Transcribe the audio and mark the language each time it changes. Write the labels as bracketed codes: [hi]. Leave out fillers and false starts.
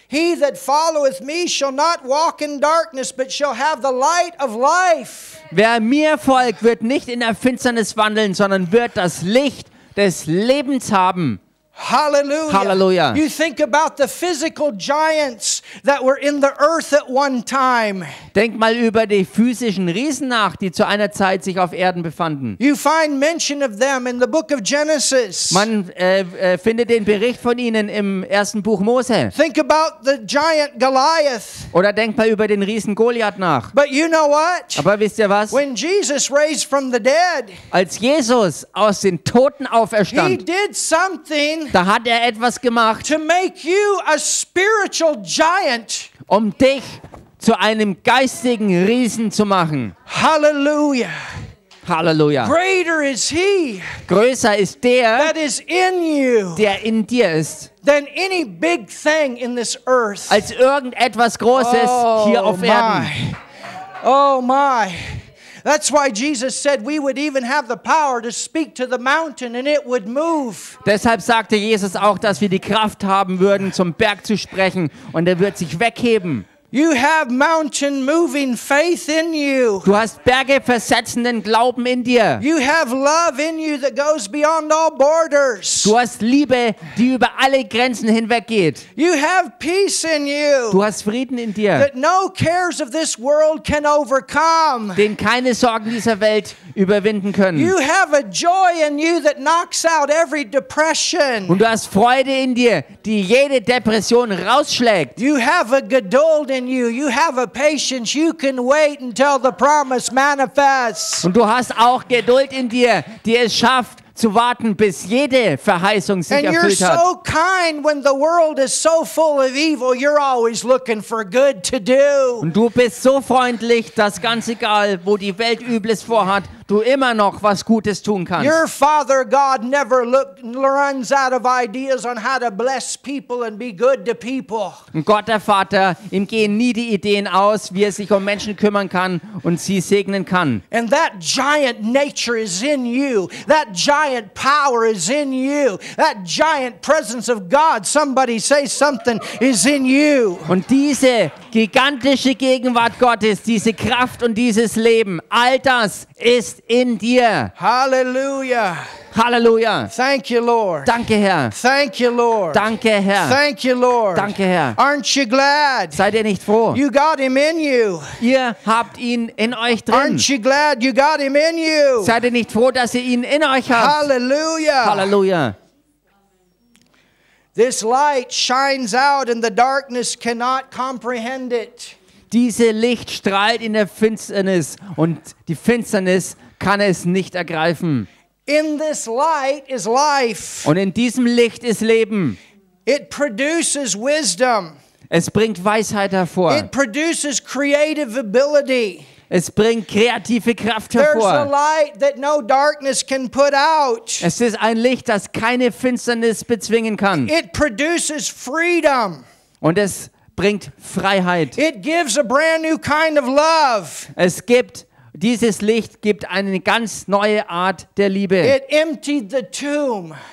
[en] He that followeth me shall not walk in darkness, but shall have the light of life. [de] Wer mir folgt, wird nicht in der Finsternis wandeln, sondern wird das Licht des Lebens haben. Halleluja. Halleluja. [en] You think about the physical giants that were in the earth at one time. [de] Denk mal über die physischen Riesen nach, die zu einer Zeit sich auf Erden befanden. [en] You find mention of them in the book of Genesis. [de] Man findet den Bericht von ihnen im ersten Buch Mose. [en] Think about the giant Goliath. [de] Oder denk mal über den Riesen Goliath nach. [en] But you know what? [de] Aber wisst ihr was? [en] When Jesus raised from the dead. [de] Als Jesus aus den Toten auferstand. [en] He did something. [de] Da hat er etwas gemacht, [en] to make you a spiritual giant. [de] Um dich zu einem geistigen Riesen zu machen. Halleluja. Halleluja. [en] Greater is he, [de] größer ist der, [en] that is in you, [de] der in dir ist, [en] than any big thing in this earth. [de] Als irgendetwas Großes, oh, hier auf my. Erden. [en] Oh my. That's why Jesus said we would even have the power to speak to the mountain and it would move. [de] Deshalb sagte Jesus auch, dass wir die Kraft haben würden, zum Berg zu sprechen und er wird sich wegheben. [en] You have mountain moving faith in you. [de] Du hast Berge versetzenden Glauben in dir. [en] You have love in you that goes beyond all borders. [de] Du hast Liebe, die über alle Grenzen hinweggeht. [en] You have peace in you. [de] Du hast Frieden in dir. [en] That no cares of this world can overcome. [de] Den keine Sorgen dieser Welt überwinden können. [en] You have a joy in you that knocks out every depression. [de] Und du hast Freude in dir, die jede Depression rausschlägt. [en] You have a geduld in you. You have a patience. You can wait until the promise manifests. [de] Und du hast auch Geduld in dir, die es schafft, zu warten, bis jede Verheißung sich erfüllt hat. [en] And you're so kind when the world is so full of evil, you're always looking for good to do. [de] Und du bist so freundlich, dass ganz egal, wo die Welt Übles vorhat, du immer noch was Gutes tun kannst. [en] Your Father God never runs out of ideas on how to bless people and be good to people. [de] Und Gott der Vater, ihm gehen nie die Ideen aus, wie er sich um Menschen kümmern kann und sie segnen kann. [en] And that giant nature is in you. That giant power is in you. That giant presence of God, somebody say something, is in you. [de] Und diese gigantische Gegenwart Gottes, diese Kraft und dieses Leben, all das ist in dir. Halleluja. Halleluja. [en] Thank you, Lord. [de] Danke, Herr. [en] Thank you, Lord. [de] Danke, Herr. [en] Thank you, Lord. [de] Danke, Herr. [en] Aren't you glad? [de] Seid ihr nicht froh? [en] You got him in you. [de] Ihr habt ihn in euch drin. [en] Aren't you glad you got him in you? [de] Seid ihr nicht froh, dass ihr ihn in euch habt? Halleluja. Halleluja. [en] This light shines out and the darkness cannot comprehend it. [de] Dieses Licht strahlt in der Finsternis und die Finsternis kann es nicht ergreifen. [en] In this light is life. [de] Und in diesem Licht ist Leben. [en] It produces wisdom. [de] Es bringt Weisheit hervor. [en] It produces creative ability. [de] Es bringt kreative Kraft hervor. [en] There's a light that no darkness can put out. [de] Es ist ein Licht, das keine Finsternis bezwingen kann. [en] It produces freedom. [de] Und es bringt Freiheit. [en] It gives a brand new kind of love. [de] Es gibt, dieses Licht gibt eine ganz neue Art der Liebe. [en] It emptied the tomb.